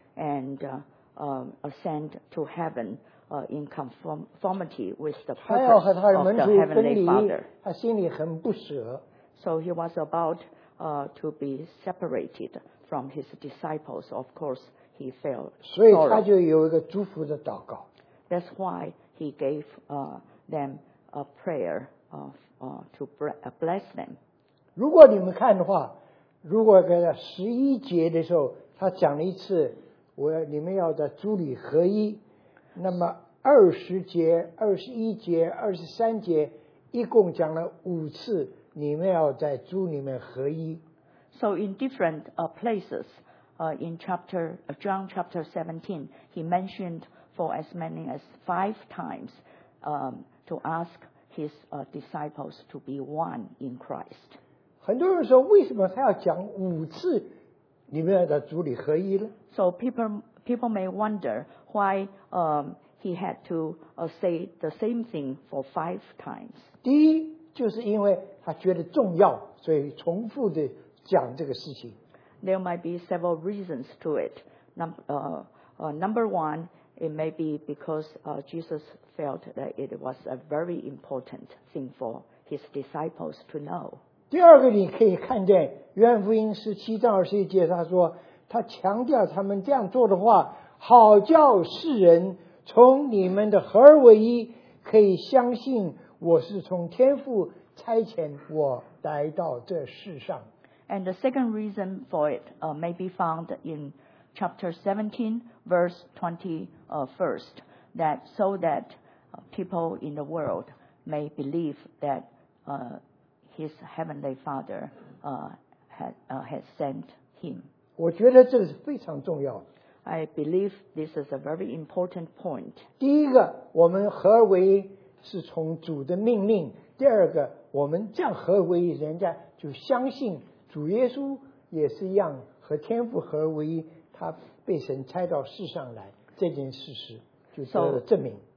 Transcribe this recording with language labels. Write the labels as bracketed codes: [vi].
[en] And ascend to heaven in conformity with the purpose of the Heavenly Father. [zh] 他心里很不舍。 [en] So he was about to be separated from his disciples. Of course, he felt sorry. [zh] 所以他就有一个祝福的祷告。 [en] That's why he gave them a prayer to bless them. [zh] 如果你们看的话，如果在十一节的时候，他讲了一次。你们要在主里合一，那么二十节、二十一节、二十三节，一共讲了五次，你们要在主里面合一。 [en] So in different places, in chapter John chapter 17, he mentioned for as many as five times to ask his disciples to be one in Christ. [zh] 很多人说，为什么他要讲五次？你们要在主里合一了。 [en] So people may wonder why he had to say the same thing for five times. [zh] 第一，就是因为他觉得重要，所以重复的讲这个事情。 [en] There might be several reasons to it. Number one, it may be because Jesus felt that it was a very important thing for his disciples to know. [zh] 第二个，你可以看见约翰福音十七章二十一节，他说他强调他们这样做的话，好叫世人从你们的合而为一，可以相信我是从天父差遣我来到这世上。 [en] And the second reason for it may be found in chapter 17, verse 21st, that so that people in the world may believe that. His heavenly Father has sent him. [zh] 我觉得这是非常重要的。 [en] I believe this is a very important point. [zh] 第一个，我们合而为一是从主的命令；第二个，我们这样合而为一，人家就相信主耶稣也是一样和天父合而为一，他被神差到世上来这件事实就得了证明。